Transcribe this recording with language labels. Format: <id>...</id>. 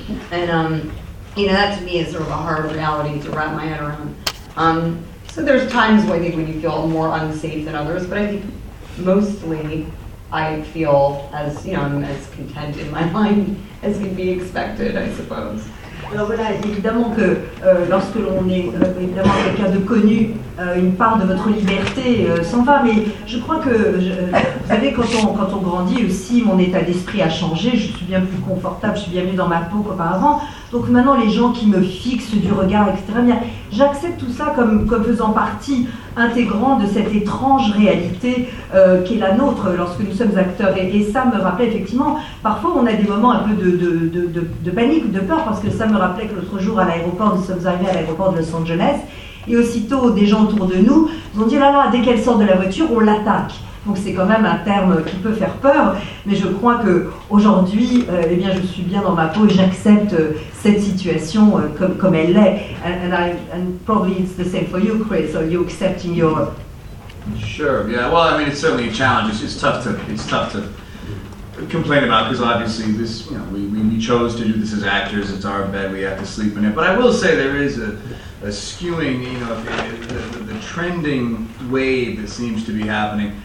<en>And, you know, that to me is sort of a hard reality to wrap my head around. So there's times when I think when you feel more unsafe than others, but I think mostly I feel as, you know, I'm as content in my mind as can be expected, I suppose.</en> <fr>Alors voilà, évidemment que lorsque l'on est évidemment quelqu'un de connu, une part de votre liberté s'en va. Mais je crois que, vous savez, quand on grandit aussi, mon état d'esprit a changé. Je suis bien plus confortable, je suis bien mieux dans ma peau qu'auparavant. Donc maintenant, les gens qui me fixent du regard, etc., bien, j'accepte tout ça comme faisant partie intégrante de cette étrange réalité qui est la nôtre lorsque nous sommes acteurs. Et ça me rappelait effectivement, parfois on a des moments un peu de panique ou de peur, parce que ça me rappelait que l'autre jour à l'aéroport, nous sommes arrivés à l'aéroport de Los Angeles, et aussitôt des gens autour de nous vont dire « Ah là, dès qu'elle sort de la voiture, on l'attaque ». Donc c'est quand même un terme qui peut faire peur, mais je crois qu'aujourd'hui, eh bien, je suis bien dans ma peau et j'accepte cette situation comme elle l'est.</fr> <en>And probably it's the same for you, Chris, are you accepting your... Sure, yeah, well, I mean, it's certainly a challenge. It's tough to complain about, because obviously this, you know, we chose to do this as actors, it's our bed, we have to sleep in it. But I will say there is a skewing, you know, the trending wave that seems to be happening.</en>